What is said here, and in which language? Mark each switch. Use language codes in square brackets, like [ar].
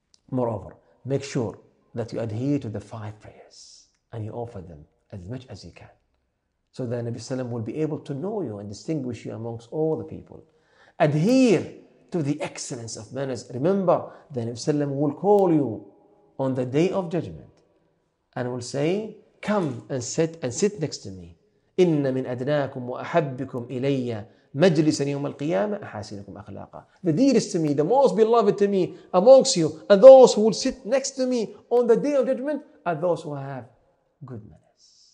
[en] Moreover, make sure that you adhere to the five prayers and you offer them as much as you can, so that Nabi Sallam will be able to know you and distinguish you amongst all the people. Adhere to the excellence of manners. Remember that Nabi Sallam will call you on the Day of Judgment and will say, "Come and sit next to me [ar] إن من أدناكم وأحبكم إلي مجلسا يوم القيامة أحاسنكم أخلاقا. [en] The dearest to me, the most beloved to me amongst you, and those who will sit next to me on the day of judgment are those who have good manners.